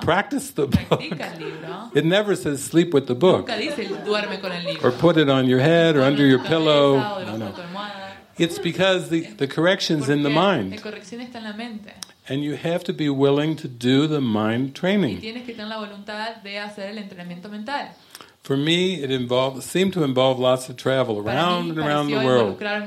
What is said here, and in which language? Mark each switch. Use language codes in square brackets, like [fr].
[en] Practice the book. [es] Practica el libro. [en] It never says sleep with the book. [es] Nunca dice, duerme con el libro. [en] Or put it on your head or under your pillow. [es] No, no. [en] It's because the correction's [es] porque [en] in the mind. [es] La corrección está en la mente. [en] And you have to be willing to do the mind training. [es] Y tienes que tener la voluntad de hacer el entrenamiento mental. [en] For me, it seemed to involve lots of travel around and around the world.